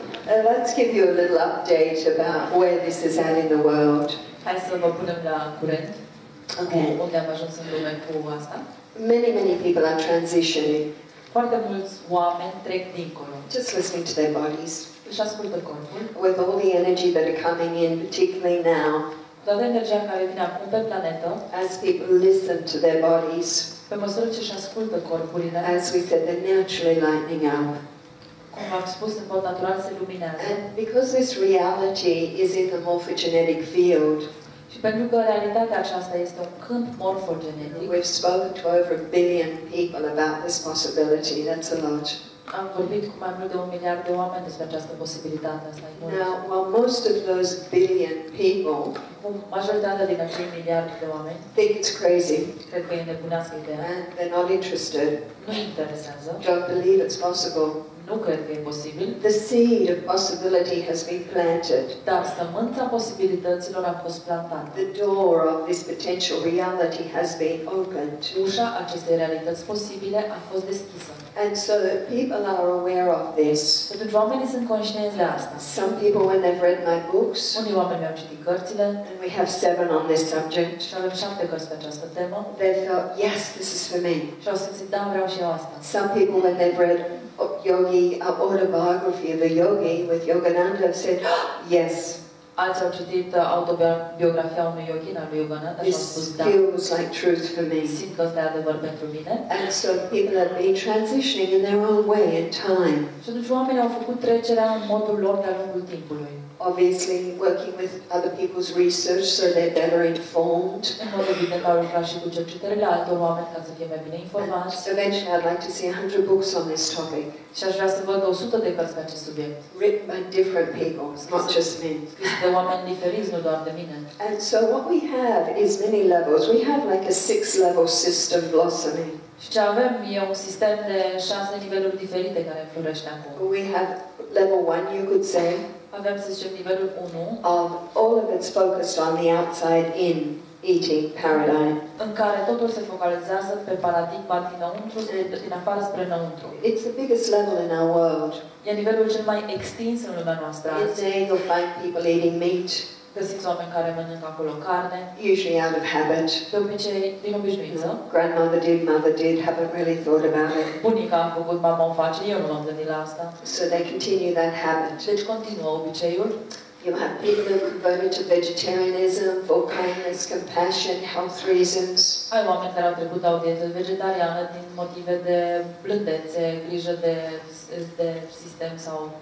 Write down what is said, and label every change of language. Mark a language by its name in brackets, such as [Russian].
[English] And let's give you a little update about where this is at in the world. [Romanian] Hai să vă punem la curent. [English] Okay. [Romanian] Unde am ajuns în lume cu asta? [English] Many, many people are transitioning. [Romanian] Foarte mulți oameni trec dincolo. [English] Just listening to their bodies. [Romanian] Își ascultă corpul. [English] With all the energy that are coming in, particularly now. [Romanian] Toată energia care vine acum pe planetă. [English] As people listen to their bodies. [Romanian] Pe măsură ce își ascultă corpurile. [English] As we said, they're naturally lightening up. [Romanian] Cum v-am spus, în mod natural se luminează. [English] And because this reality is in the morphogenetic field. [Romanian] Și pentru că realitatea aceasta este un câmp morfogenetic. [English] We've spoken to over a billion people about this possibility. That's a lot. [Romanian] Am vorbit cu mai mult de 1 miliard de oameni despre această posibilitate. Asta e mult. [English] Now, while most of those billion people, [Romanian] majoritatea din acei miliarde de oameni, [English] think it's crazy. [Romanian] Cred că e nebunească ideea. [English] And they're not interested. [Romanian] Nu interesează. [English] Don't believe it's possible. [Romanian] Nu cred că e posibil. [English] The seed of possibility has been planted. [Romanian] Dar sămânța posibilităților a fost plantată. [English] The door of this potential reality has been opened. [Romanian] Ușa acestei realități posibile a fost deschisă. [English] And so that people are aware of this. [Romanian] Pentru că oamenii sunt conștienți de asta. [English] Some people, when they've read my books, [Romanian] unii oameni au citit cărțile, [English] and we have 7 on this subject, [Romanian] și avem 7 cărți pe această temă, [English] they've thought, yes, this is for me. [Romanian] Și au simțit, da, vreau și eu asta. [English] Some people, when they've read yogi, autobiography of a yogi with Yogananda, have said, yes. [Romanian] Alții au citit autobiografia unui yogin al lui Yogananda și au spus da. [English] This feels like truth for me. [Romanian] Simt că asta e adevăr pentru mine. [English] And so people have been transitioning in their own way in time. [Romanian] Și atunci oamenii au făcut trecerea în modul lor de-a lungul timpului. [English] Obviously working with other people's research so they're better informed. [Romanian] În mod evident au lucrat și cu cercetările altor oameni ca să fie mai bine informați. [English] Eventually I'd like to see 100 books on this topic. [Romanian] Și aș vrea să văd 100 de cărți pe acest subiect. [English] Written by different people, not just me. [Romanian] De oameni diferiți, nu doar de mine. [English] And so what we have is many levels. We have like a 6-level system blossoming. [Romanian] Și ce avem e un sistem de 6 niveluri diferite care florește acum. [English] We have level 1, you could say. [Romanian] Avem, să zicem, nivelul 1. [English] Of all of it's focused on the outside in eating paradigm. [Romanian] În care totul se focalizează pe paradigma dinăuntru, din afară spre înăuntru. [English] It's the biggest level in our world. [Romanian] E nivelul cel mai extins în lumea noastră. [English] In day you'll find people eating meat. [Romanian] Găsiți oameni care mănâncă acolo carne. [English] Usually out of habit. [Romanian] De obicei, din obișnuință. [English] Grandmother did, mother did, haven't really thought about it. [Romanian] Bunica a făcut, mama o face, eu nu m-am gândit la asta. [English] So they continue that habit. [Romanian] Deci continuă obiceiul. [English] You'll have people who converted to vegetarianism for kindness, compassion, health reasons. [Romanian] Ai oameni care au trecut la o dietă vegetariană din motive de blândețe, grijă de sistem sau